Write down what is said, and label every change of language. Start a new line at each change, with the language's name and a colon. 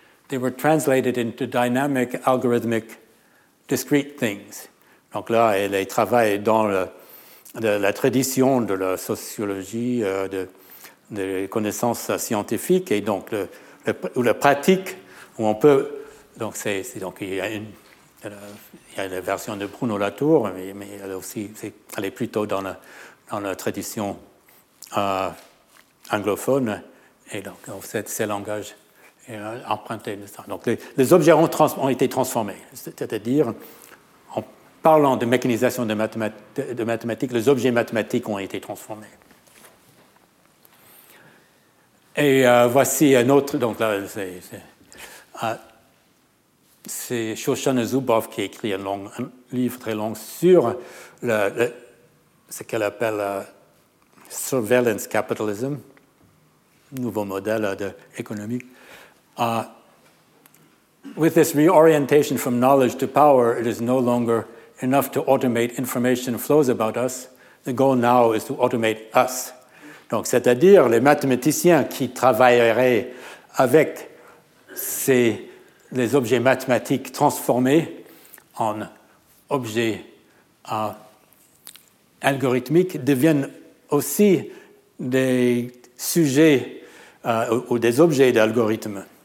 English: They were translated into dynamic, algorithmic, discrete things.
French: Donc là, elle travaille dans la tradition de la sociologie, des connaissances scientifiques, et donc la pratique où on peut. Donc, il y a la version de Bruno Latour, mais elle, aussi, elle est plutôt dans la tradition anglophone, et donc ces langages sont empruntés. Donc, les objets ont été transformés, c'est-à-dire. Parlant de mécanisation de mathématiques, les objets mathématiques ont été transformés. Et voici un autre, donc là, c'est Shoshana Zuboff qui a écrit un livre très long sur ce qu'elle appelle surveillance capitalism, nouveau modèle économique.
English: With this reorientation from knowledge to power, it is no longer enough to automate information flows about us, the goal now is to automate us.
French: Donc, c'est-à-dire les mathématiciens qui travailleraient avec les objets mathématiques transformés en objets algorithmiques deviennent aussi des sujets ou des objets d'algorithmes.